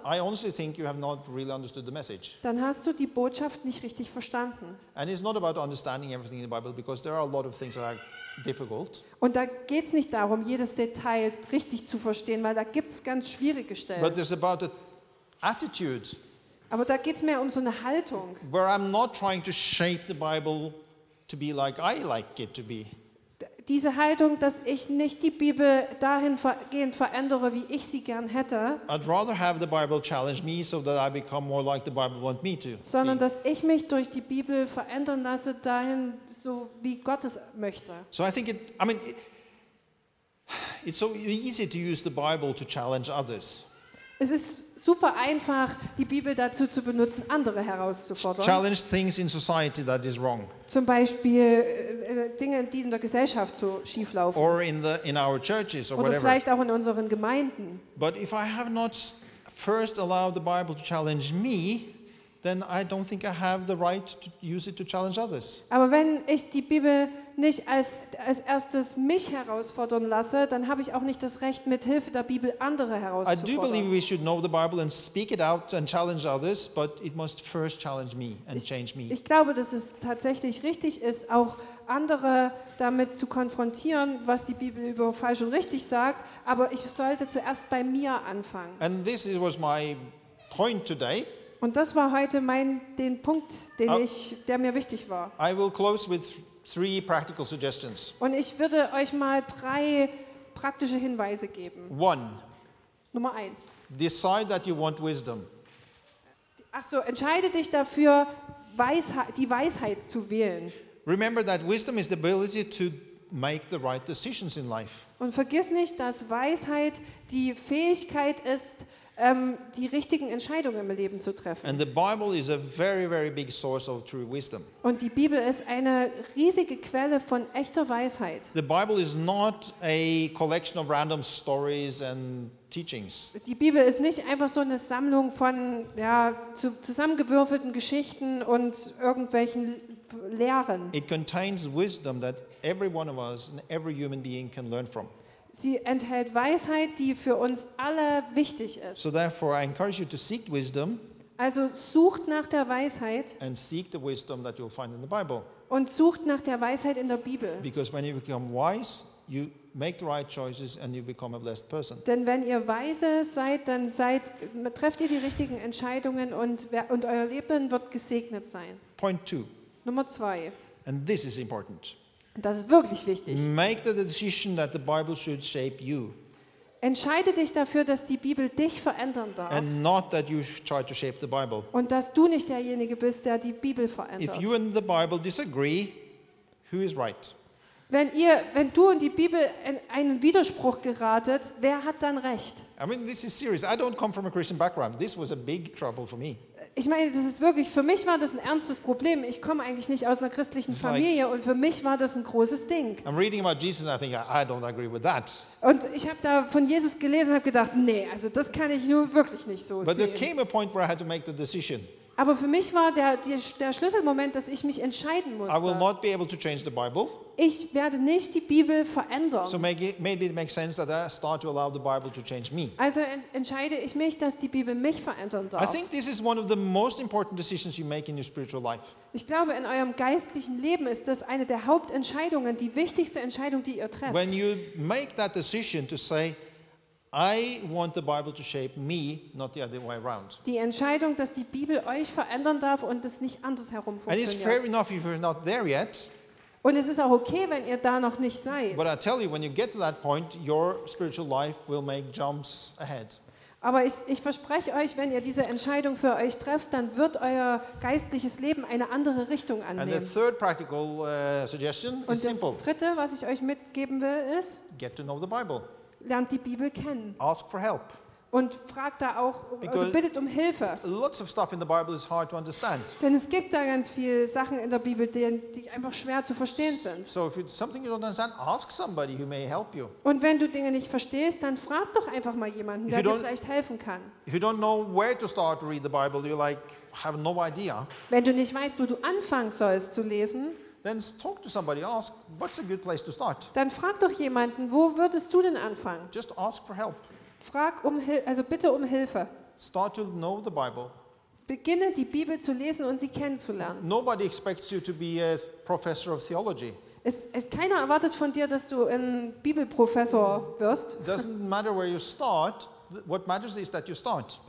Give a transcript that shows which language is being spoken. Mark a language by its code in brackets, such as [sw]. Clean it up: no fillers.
[en] I honestly think you have not really understood the message. [de] Dann hast du die Botschaft nicht richtig verstanden. [en] And it's not about understanding everything in the Bible, because there are a lot of things that are difficult. [de] Und da geht's nicht darum, jedes Detail richtig zu verstehen, weil da gibt's ganz schwierige Stellen. [en] But there's about the attitude. [de] Aber da geht's mehr um so eine Haltung. [en] Where I'm not trying to shape the Bible to be like I like it to be. [de] Diese Haltung, dass ich nicht die Bibel dahingehend verändere, wie ich sie gern hätte, [en] I'd rather have the Bible challenge me so that I become more like the Bible want me to. [de] Sondern dass ich mich durch die Bibel verändern lasse dahin, so wie Gott es möchte. [en] So I think it's so easy to use the Bible to challenge others. [de] Es ist super einfach, die Bibel dazu zu benutzen, andere herauszufordern. [en] Challenge things in society that is wrong. [de] Zum Beispiel Dinge, die in der Gesellschaft so schief laufen. [en] Or in our churches or [de] oder [en] whatever. [de] Vielleicht auch in unseren Gemeinden. [en] But if I have not first allowed the Bible to challenge me, then I don't think I have the right to use it to challenge others. [de] Aber wenn ich die Bibel nicht als erstes mich herausfordern lasse, dann habe ich auch nicht das Recht, mit Hilfe der Bibel andere herauszufordern. [en] I do believe we should know the Bible and speak it out and challenge others, but it must first challenge me and change me. [de] Ich glaube, dass es tatsächlich richtig ist, auch andere damit zu konfrontieren, was die Bibel über falsch und richtig sagt, aber ich sollte zuerst bei mir anfangen. [en] And this was my point today. [de] Und das war heute den Punkt, der mir wichtig war. [en] I will close with three practical suggestions. [de] Und ich würde euch mal drei praktische Hinweise geben. [en] One. [de] Nummer eins. [en] Decide that you want wisdom. [de] Ach so, entscheide dich dafür, die Weisheit zu wählen. [en] Remember that wisdom is the ability to make the right decisions in life. [de] Und vergiss nicht, dass Weisheit die Fähigkeit ist, die richtigen Entscheidungen im Leben zu treffen. [en] And the Bible is a very, very big source of true wisdom. [de] Und die Bibel ist eine riesige Quelle von echter Weisheit. [en] The Bible is not a collection of random stories and teachings. [de] Die Bibel ist nicht einfach so eine Sammlung von zusammengewürfelten Geschichten und irgendwelchen Lehren. [en] It contains wisdom that every one of us and every human being can learn from. [de] Sie enthält Weisheit, die für uns alle wichtig ist. [en] So therefore I encourage you to seek wisdom. [de] Also sucht nach der Weisheit. [en] And seek the wisdom that you'll find in the Bible. [de] Und sucht nach der Weisheit in der Bibel. [en] Because when you become wise, you make the right choices and you become a blessed person. [de] Denn wenn ihr weise seid, dann trefft ihr die richtigen Entscheidungen und euer Leben wird gesegnet sein. [en] Point 2. [de] Nummer 2. [en] And this is important. [de] Das ist wirklich wichtig. [en] Make the decision that the Bible should shape you. [de] Entscheide dich dafür, dass die Bibel dich verändern darf. [en] And not that you try to shape the Bible. [de] Und dass du nicht derjenige bist, der die Bibel verändert. [en] If you and the Bible disagree, who is right? [de] Wenn du und die Bibel in einen Widerspruch geratet, wer hat dann recht? [en] I mean, this is serious. I don't come from a Christian background. This was a big trouble for me. [de] Ich meine, das ist wirklich, für mich war das ein ernstes Problem. Ich komme eigentlich nicht aus einer christlichen Familie und für mich war das ein großes Ding. [en] I'm reading about Jesus and I think I don't agree with that. [de] Und ich habe da von Jesus gelesen und habe gedacht, nee, also das kann ich nur wirklich nicht so sehen. [en] But there came a point where I had to make the decision. [de] Aber für mich war der Schlüsselmoment, dass ich mich entscheiden musste. [en] I will not be able to change the Bible. [de] Ich werde nicht die Bibel verändern. [en] So maybe it makes sense that I start to allow the Bible to change me. [de] Also entscheide ich mich, dass die Bibel mich verändern darf. [en] I think this is one of the most important decisions you make in your spiritual life. [de] Ich glaube, in eurem geistlichen Leben ist das eine der Hauptentscheidungen, die wichtigste Entscheidung, die ihr trefft. [en] When you make that decision to say, I want the Bible to shape me, not the other way around. [de] Die Entscheidung, dass die Bibel euch verändern darf und es nicht andersherum funktioniert. [en] And it's fair enough if you're not there yet. [de] Und es ist auch okay, wenn ihr da noch nicht seid. [en] But I tell you, when you get to that point, your spiritual life will make jumps ahead. [de] Aber ich verspreche euch, wenn ihr diese Entscheidung für euch trefft, dann wird euer geistliches Leben eine andere Richtung annehmen. [en] And the third practical, suggestion [de] Und [en] is simple. [de] Das dritte, was ich euch mitgeben will, ist, [en] Get to know the Bible. [de] Lernt die Bibel kennen. [en] Ask for help. [de] Und fragt da auch, Because also bittet um Hilfe. [en] Lots of stuff in the Bible is hard to understand. [de] Denn es gibt da ganz viele Sachen in der Bibel, die einfach schwer zu verstehen sind. [en] So if it's something you don't understand, ask somebody who may help you. [de] Und wenn du Dinge nicht verstehst, dann frag doch einfach mal jemanden, der dir vielleicht helfen kann. [en] If you don't know where to start to read the Bible, you like have no idea. [de] Wenn du nicht weißt, wo du anfangen sollst zu lesen, [en] then talk to somebody, ask what's a good place to start. [de] Dann frag doch jemanden, wo würdest du denn anfangen? [en] Just ask for help. [de] Frag um Hilfe, also bitte um Hilfe. [en] Start to know the Bible. [de] Beginne die Bibel zu lesen und sie kennenzulernen. [en] Nobody expects you to be a professor of theology. [de] Keiner erwartet von dir, dass du ein Bibelprofessor wirst. [en] Doesn't matter where you start. What matters is that you start.